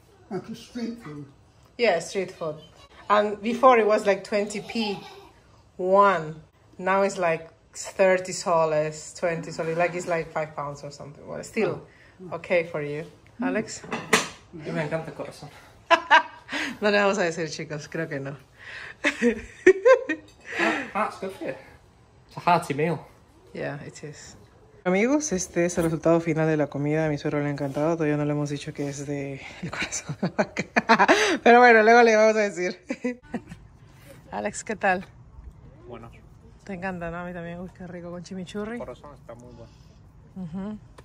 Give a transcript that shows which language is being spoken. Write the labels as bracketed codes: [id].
[en] That's a street food. Yeah, street food. And before it was like 20p. One, now it's like 30 soles, 20 soles, like it's like 5 pounds or something. Well, still okay for you, Alex. [es] Yo me encanta el corazón. No le vamos a decir, chicos, creo que no. [en] That's good for you. It's a hearty meal. Yeah, it is. [es] Amigos, este es el resultado final de la comida. A mi suegro le ha encantado. Todavía no le hemos dicho que es del corazón de vaca. Pero bueno, luego le vamos a decir. Alex, ¿qué tal? Bueno. Te encanta, ¿no? A mí también. Uy, qué rico con chimichurri. El corazón está muy bueno.